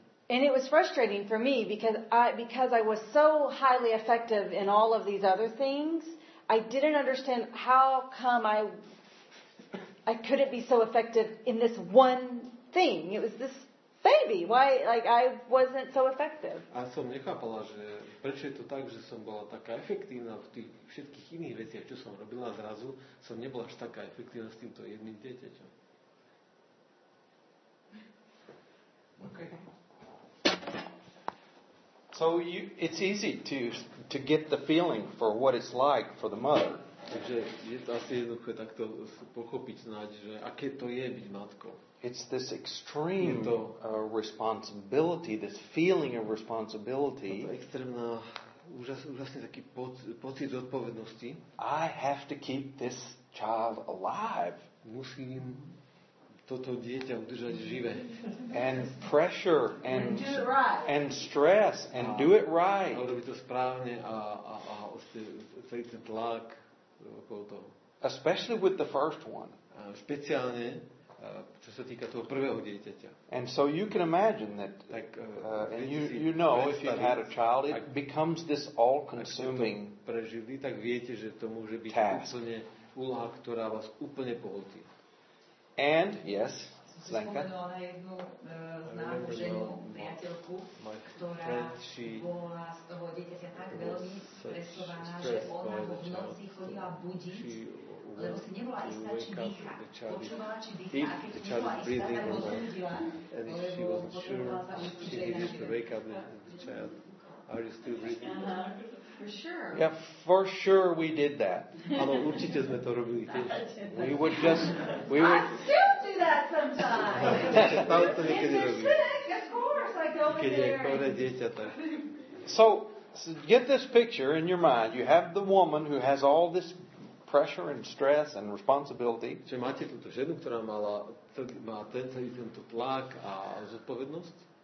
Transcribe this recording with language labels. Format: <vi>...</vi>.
<en>And it was frustrating for me because I was so highly effective in all of these other things. I didn't understand how come I couldn't be so effective in this one thing. It was this baby. Why, like, I wasn't so effective.</en> <sk>A som nechápala, že prečo je to tak, že som bola taká efektívna v tých všetkých iných veciach, čo som robila, zrazu som nebola až taká efektívna s týmto jedným dieťaťom.</sk> <en>So you, it's easy to get the feeling for what it's like for the mother.</en> <sk>Takže je to asi jednoduché takto pochopiť, znať, že aké to je byť matkou.</sk> <en>It's this extreme responsibility, this feeling of responsibility.</en> <sk>To je extrémna, úžasný taký pocit zodpovednosti.</sk> <en>I have to keep this child alive.</en> <sk>Musím toto dieťa udržať živé.</sk> <en>And pressure and do it right. And stress and do it right.</en> <sk>A robiť to správne a celý ten tlak okolo toho.</sk> <en>Especially with the first one.</en> <sk>Špeciálne čo sa týka toho prvého dieťaťa.</sk> <en>And so you can imagine that</en> <sk>tak,</sk> <en>and you know if you had a child it becomes this all consuming.</en> <sk>Ak to prežili, tak viete, že to môže byť úplne úloha, ktorá vás úplne pohltí.</sk> <en>And yes, Lenka.</en> <sk>Spomenula na jednu známu ženu, priateľku, ktorá bola z toho dieťaťa tak veľmi stresovaná, že ona ho v noci chodila budiť, lebo si nebola istá, či dýcha. Počúvala, či dýcha, a keď si bola istá, tak ho zbudila, lebo potrebovala sa učiteľa život.</sk> <en>Are you still breathing? For sure. Yeah, for sure we did that.</en> <sk>Ale určite sme to robili.</sk> <en>We would just... I still do that sometimes.</en> <sk>Keď</sk> <en>you're sick, of course I go in there.</en> <sk>Keď je chore dieťa, tak...</sk> <en>So, get this picture in your mind. You have the woman who has all this pressure and stress and responsibility.</en> <sk>Čiže máte túto ženu, ktorá má celý tento tlak a zodpovednosť?</sk>